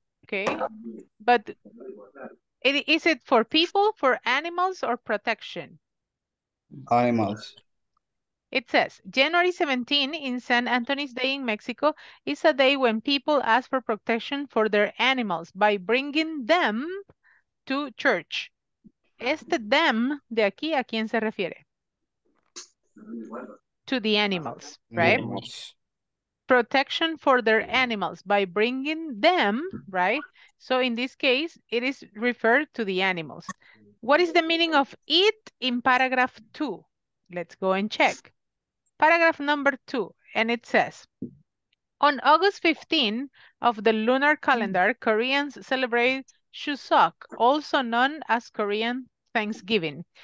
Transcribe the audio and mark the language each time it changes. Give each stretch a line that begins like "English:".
English: Okay, but is it for people, for animals, or protection? Animals. It says January 17 in San Antonio's Day in Mexico is a day when people ask for protection for their animals by bringing them to church.
Spanish: Este them de aquí, ¿a quién se refiere?
English: To the animals, right? Animals. Protection for their animals by bringing them, right? So in this case, it is referred to the animals. What is the meaning of it in paragraph two? Let's go and check. Paragraph number two, and it says, on August 15 of the lunar calendar, Koreans celebrate Chuseok, also known as Korean Thanksgiving.